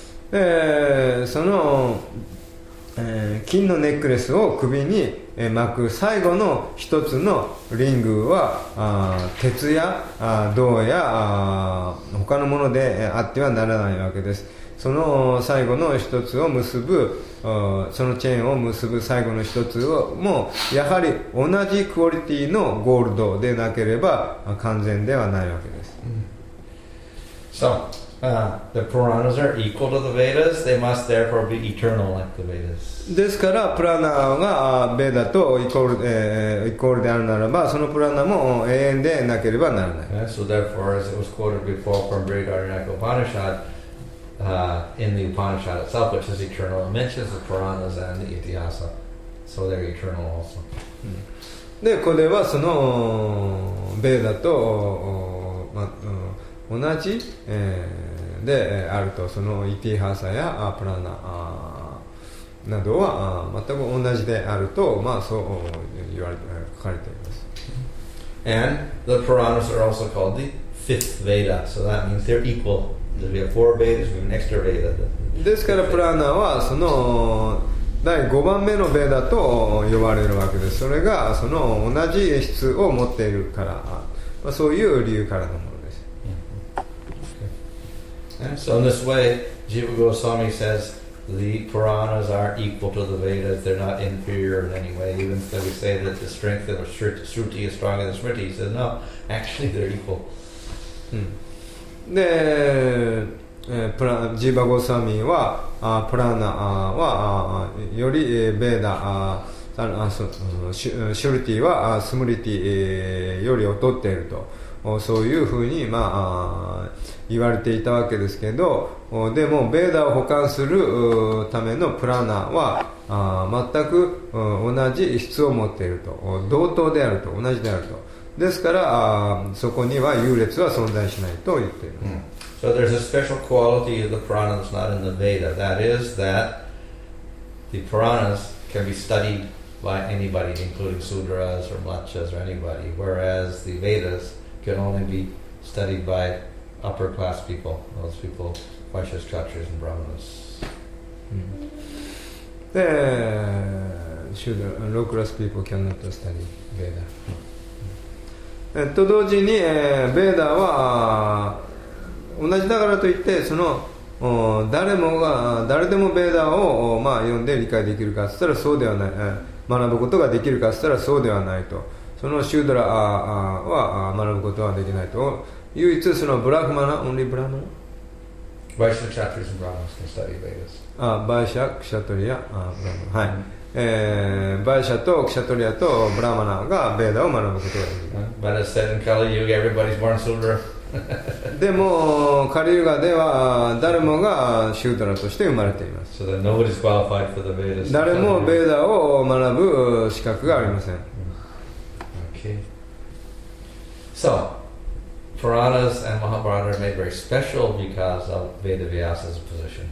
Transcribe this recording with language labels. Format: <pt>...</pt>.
<ja>で、その金のネックレスを首に巻く最後の一つのリングは鉄や銅や他のものであってはならないわけです。その最後の一つを結ぶそのチェーンを結ぶ最後の一つをもやはり同じクオリティのゴールドでなければ完全ではないわけです。</ja> <en>So the Puranas are equal to the Vedas. They must therefore be eternal like the Vedas.</en> <ja>ですからプラナがベーダとイコールであるならば、そのプラナも永遠でなければならない。</ja> <en>So therefore, as it was quoted before from Brihadaranyaka Upanishad, in the Upanishad itself, which is eternal, it mentions the Puranas and the Itihasa, so they're eternal also.</en> <ja>で、これはそのベーダと同じであると、そのイティハサやプラナ。などは全く同じであると、まあ、そう書かれています。</ja> <en>And the Puranas are also called the fifth Veda, so that means they're equal. There are four Vedas, we have an extra Veda.</en> <ja>ですから、プラナはその第5番目のベダと呼ばれるわけです。それがその同じ質を持っているから、まあ、そういう理由からのものです。</ja> <en>And so in this way, Jiva Goswami says,The Puranas are equal to the Vedas. They're not inferior in any way. Even though we say that the strength of Shruti is stronger than Smriti, he says, no, actually they're equal.</en> <ja>で、ジーバゴサミは、プラナは、より、ベーダ、シュルティは、スムリティより劣っていると。そういうふうに、まあ、言われていたわけですけど、でもベーダを補完するためのプラナは全く同じ質を持っていると、同等であると、同じであると。ですからそこには優劣は存在しないと言っている。</ja> <en>So there's a special quality of the Purana that's not in the Veda. That is that the Puranas can be studied by anybody, including Sudras or Mlachas or anybody, whereas the Vedas can only be studied by upper class people, those people, Vaishyas, Kshatriyas, and Brahmanas. The low class people cannot study Veda. And to</en> <ja>同時に、Veda は同じだからといって、その誰もが誰でも Veda を、まあ、読んで理解できるかといったらそうではない、学ぶことができるかといったらそうではないと。そのシュードラは学ぶことはできないと。唯一そのブラフマナ、オンリーブラフマナ。バイシャ、クシャトリア、ブラフマナ、スタディベイダス。バイシャ、クシャトリア、ブラフマナ。はい。バイシャとクシャトリアとブラフマナがベーダを学ぶことができる。</ja> <en>But as said in Kali Yuga, everybody's born Sudra.</en> <ja>でも、カリユガでは誰もがシュードラとして生まれています。</ja> <en>So that nobody's qualified for the Vedas.</en> <ja>誰もベーダを学ぶ資格がありません。</ja> <en>So, Puranas and Mahabharata are made very special because of Vedavyasa's position.</en>